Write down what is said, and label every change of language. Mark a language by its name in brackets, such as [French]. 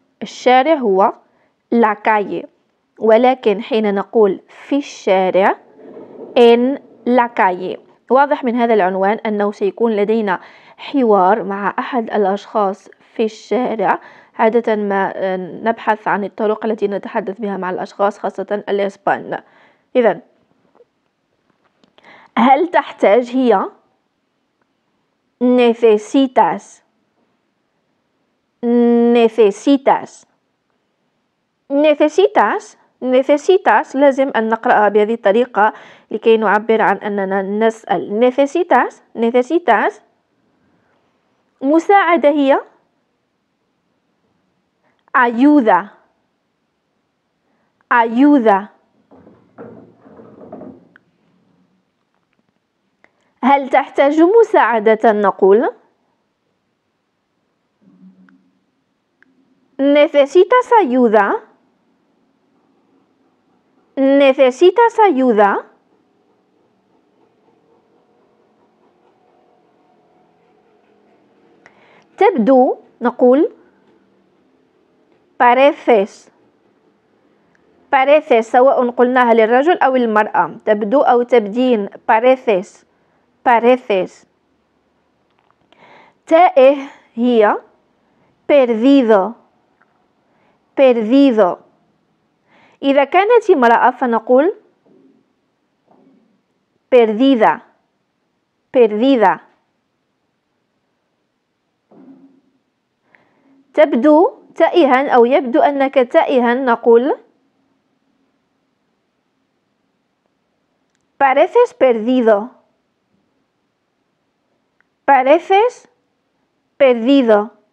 [Arabic] الشارع هو [Spanish] la calle، [Arabic] ولكن حين نقول في الشارع [Spanish] en la calle. [Arabic] واضح من هذا العنوان انه سيكون لدينا حوار مع احد الاشخاص في الشارع. عادة ما نبحث عن الطرق التي نتحدث بها مع الأشخاص، خاصة الإسبان. إذن هل تحتاج هي؟ [Spanish] necesitas necesitas necesitas necesitas. [Arabic] لازم أن نقرأها بهذه الطريقة لكي نعبر عن أننا نسأل. [Spanish] necesitas necesitas. [Arabic] مساعدة هي؟ [Spanish] ayuda ayuda. [Arabic] هل تحتاج مساعدة؟ نقول [Spanish] necesitas ayuda necesitas ayuda. [Arabic] تبدو، نقول [Spanish] pareces pareces. [Arabic] سواء قلناها للرجل او المرأة، تبدو او تبدين. [Spanish] pareces pareces. [Arabic] تائه هي [Spanish] perdido perdido. [Arabic] اذا كانت امرأة فنقول [Spanish] perdida perdida. [Arabic] تبدو تائها او يبدو انك تائها، نقول [Spanish] pareces perdido pareces perdido.